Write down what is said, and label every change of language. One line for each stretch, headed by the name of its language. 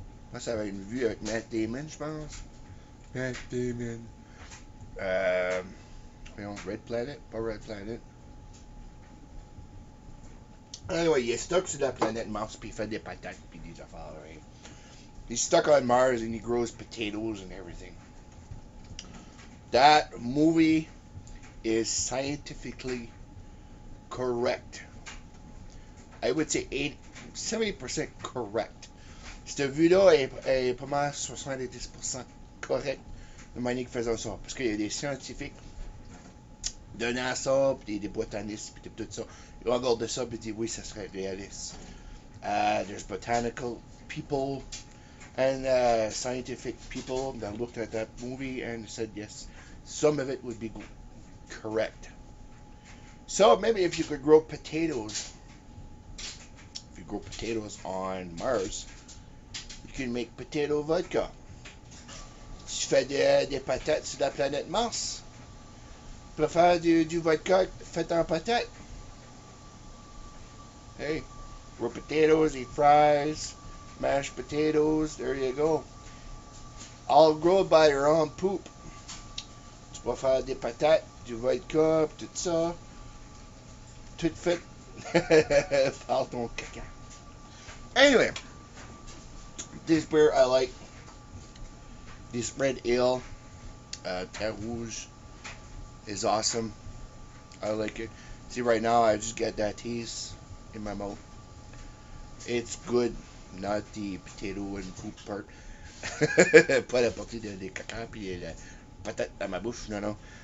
French: Moi, ça avait une vue avec Matt Damon, je pense. Matt Damon. Red Planet, pas Red Planet.
English: Anyway,
French: il est stuck sur la planète Mars, puis il fait des patates, puis des affaires,
English: right? He's stuck on Mars, and he grows potatoes and everything. That movie is scientifically correct. I would say 70% correct.
French: Cette vue-là est pas mal 70% correcte, de manière qu'ils faisaient ça. Parce qu'il y a des scientifiques de NASA, puis des botanistes, puis tout ça. Ils regardent ça, puis disent oui, ça serait réaliste.
English: There's botanical people and scientific people that looked at that movie and said yes, some of it would be correct. So maybe if you could grow potatoes, if you grow potatoes on Mars, you can make potato vodka.
French: Tu fais des patates sur la planète Mars. Tu préfères du vodka fait en patates?
English: Hey, grow potatoes, eat fries, mashed potatoes, there you go. All grown by your own poop.
French: Tu vas faire des patates, du vodka, tout ça. Tout fait par ton caca.
English: Anyway, this beer I like. This red ale, Terre Rouge, is awesome. I like it. See, right now I just get that taste in my mouth. It's good, not the potato and poop part.
French: Pas la partie des caca puis la patate dans ma bouche, non, non.